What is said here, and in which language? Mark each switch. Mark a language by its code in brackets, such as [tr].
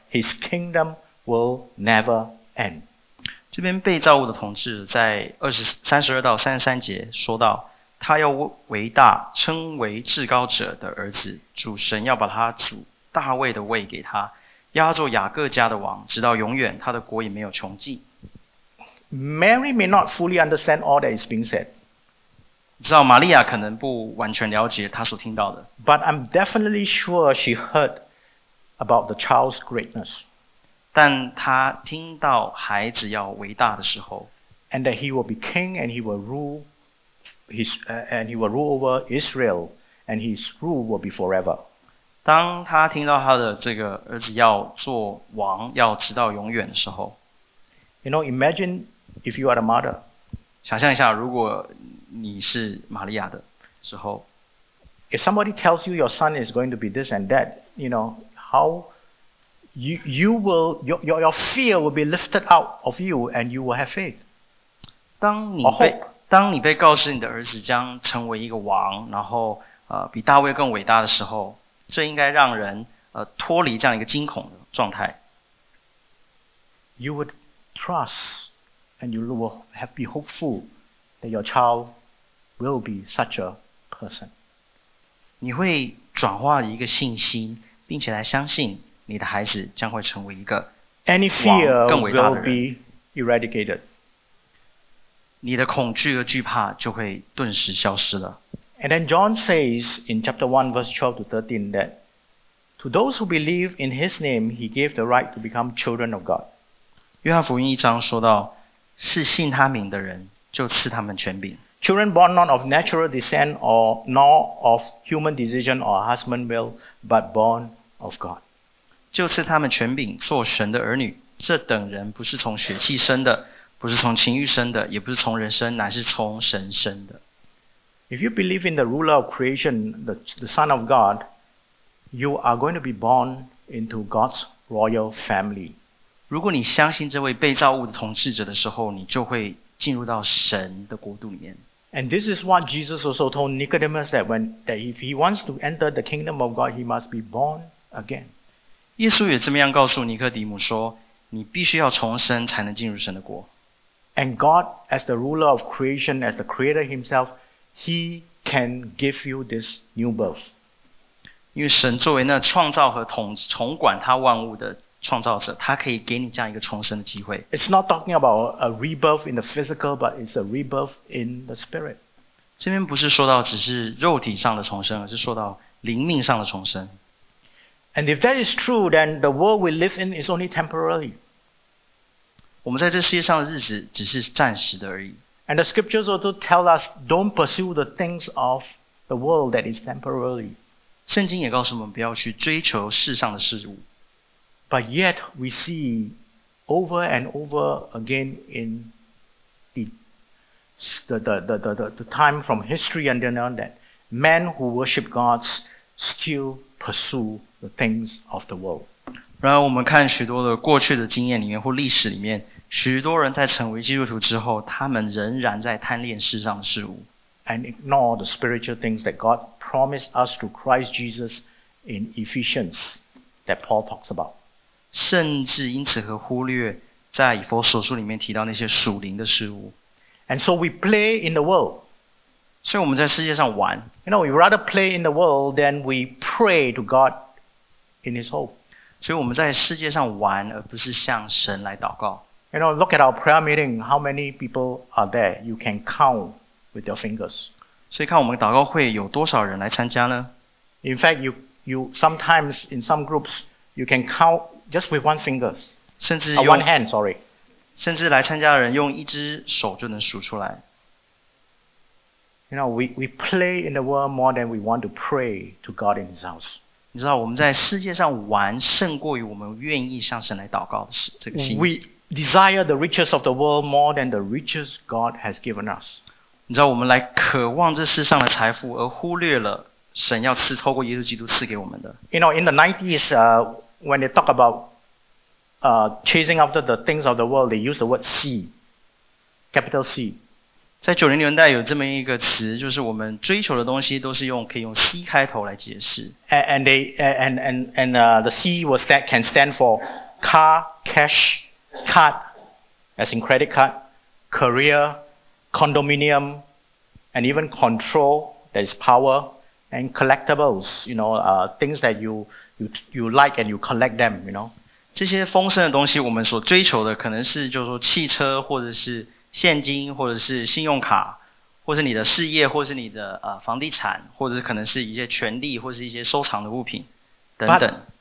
[en] His kingdom will never end." [zh] 这边被造物的统治在32到33节说到，他要为大，称为至高者的儿子，主神要把他主大卫的位给他，要他做雅各家的王，直到永远，他的国也没有穷尽。 [en] Mary may not fully understand all that is being said. [zh] 知道玛利亚可能不完全了解他所听到的。 [en] But I'm definitely sure she heard about the child's greatness. [zh] 但他听到孩子要伟大的时候 [en] ，and that he will be king and he will rule his and he will rule over Israel and his rule will be forever。 [zh] 当他听到他的这个儿子要做王，要直到永远的时候 [en] ，you know, imagine if you are the mother。 [zh] 想象一下，如果你是玛利亚的时候。 [en] If somebody tells you your son is going to be this and that, you know, how you will, your fear will be lifted out of you and you will have faith. [zh] 当你被告知你的儿子将成为一个王，然后比大卫更伟大的时候，这应该让人脱离这样一个惊恐的状态。 [en] You would trust and you will be hopeful that your child will be such a person. [zh] 你会转化一个信心，并且来相信你的孩子将会成为一个王更伟大的人。你的恐惧和惧怕就会顿时消失了。 [en] And then John says in chapter 1 verse 12 to 13 that to those who believe in his name, he gave the right to become children of God. [zh] 约翰福音一章说到，是信他名的人就赐他们权柄。 [en] Children born not of natural descent or nor of human decision or husband will, but born of God. [zh] 就赐他们权柄做神的儿女，这等人不是从血气生的，不是从情欲生的，也不是从人生，乃是从神生的。 [en] If you believe in the ruler of creation, the Son of God, you are going to be born into God's royal family. [zh] 如果你相信这位被造物的统治者的时候，你就会进入到神的国度里面。 [en] And this is what Jesus also told Nicodemus that when that if he wants to enter the kingdom of God, he must be born again. [zh] 耶稣也这么样告诉尼哥底母说，你必须要重生才能进入神的国。 [en] And God, as the ruler of creation, as the creator himself, he can give you this new birth. [zh] 因为神作为那创造和统管他万物的创造者，他可以给你这样一个重生的机会。 [en] It's not talking about a rebirth in the physical, but it's a rebirth in the spirit. [zh] 这边不是说到只是肉体上的重生，而是说到灵命上的重生。 [en] And if that is true, then the world we live in is only temporary. [zh] 我们在这世界上的日子只是暂时的而已。 [en] And the scriptures also tell us, don't pursue the things of the world that is temporary. [zh] 圣经也告诉我们不要去追求世上的事物。 [en] But yet we see over and over again in the time from history and then on that men who worship gods still pursue the things of the world. [zh] 然而我们看许多的过去的经验里面或历史里面，许多人在成为基督徒之后，他们仍然在贪恋世上的事物。 [en] And ignore the spiritual things that God promised us through Christ Jesus in Ephesians that Paul talks about. [zh] 甚至因此和忽略在以弗所书里面提到那些属灵的事物。 [en] And so we play in the world. [zh] 所以我们在世界上玩。 [en] You know, we rather play in the world than we pray to God in His hope. [zh] 所以我们在世界上玩，而不是向神来祷告。 [en] You know, look at our prayer meeting. How many people are there? You can count with your fingers. [zh] 所以看我们祷告会有多少人来参加呢？ [en] In fact, you sometimes in some groups you can count. Just with one finger, one hand, sorry. [zh] 甚至来参加的人用一只手就能数出来。 [en] You know, we play in the world more than we want to pray to God in His house. [zh] 你知道我们在世界上玩胜过于我们愿意向神来祷告的这个心。 [en] We desire the riches of the world more than the riches God has given us. [zh] 你知道我们来渴望这世上的财富，而忽略了神要赐透过耶稣基督赐给我们的。 [en] You know, in the 90s, When they talk about chasing after the things of the world, they use the word C, capital C. [zh] 在90年代有这么一个词，就是我们追求的东西都是用可以用 C 开头来解释。 [en] And the C was that can stand for car, cash, card, as in credit card, career, condominium, and even control, that is power, and collectibles, you know, things that you like and you collect them, you know. [zh] 这些丰盛的东西我们所追求的可能是就是说汽车或者是现金或者是信用卡或者是你的事业或者是你的房地产或者是可能是一些权利或者是一些收藏的物品等等。